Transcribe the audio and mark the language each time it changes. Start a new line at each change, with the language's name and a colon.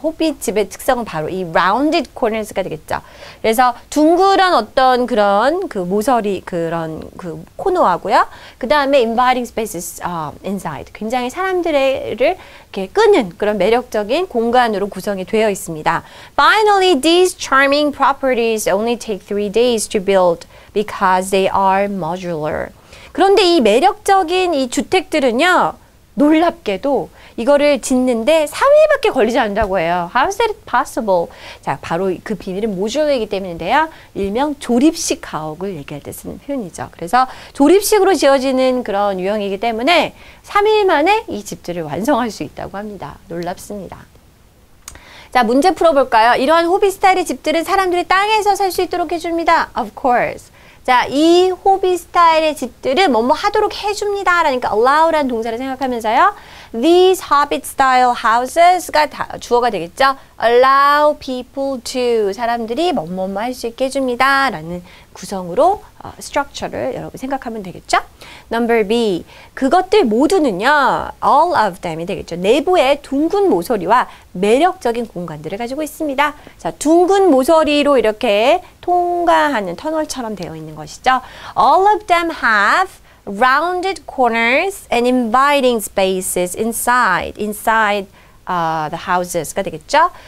Korean: 호빗 집의 특성은 바로 이 rounded corners가 되겠죠. 그래서 둥그런 어떤 그런 그 모서리 그런 그 코너하고요.
English: 그다음에 inviting spaces inside.
Korean: 굉장히 사람들을 이렇게 끄는 그런 매력적인 공간으로 구성이 되어 있습니다.
English: Finally, these charming properties only take 3 days to build because they are modular.
Korean: 그런데 이 매력적인 이 주택들은요, 놀랍게도 이거를 짓는데 3일밖에 걸리지 않는다고 해요.
English: How is that possible?
Korean: 자, 바로 그 비밀은 모듈러이기 때문인데요. 일명 조립식 가옥을 얘기할 때 쓰는 표현이죠. 그래서 조립식으로 지어지는 그런 유형이기 때문에 3일 만에 이 집들을 완성할 수 있다고 합니다. 놀랍습니다. 자, 문제 풀어볼까요? 이러한 호빗 스타일의 집들은 사람들이 땅에서 살수 있도록 해줍니다.
English: Of course.
Korean: 자, 이 호빗 스타일의 집들은 뭐뭐 하도록 해줍니다라니까 allow라는 동사를 생각하면서요. These Hobbit style houses가 다 주어가 되겠죠. allow people to 사람들이 뭐뭐뭐 할수 있게 해줍니다라는 구성으로 structure를 여러분 생각하면 되겠죠. Number B. 그것들 모두는요. all of them이 되겠죠. 내부에 둥근 모서리와 매력적인 공간들을 가지고 있습니다. 자, 둥근 모서리로 이렇게 통과하는 터널처럼 되어 있는 것이죠.
English: All of them have rounded corners and inviting spaces inside the houses가 되겠죠.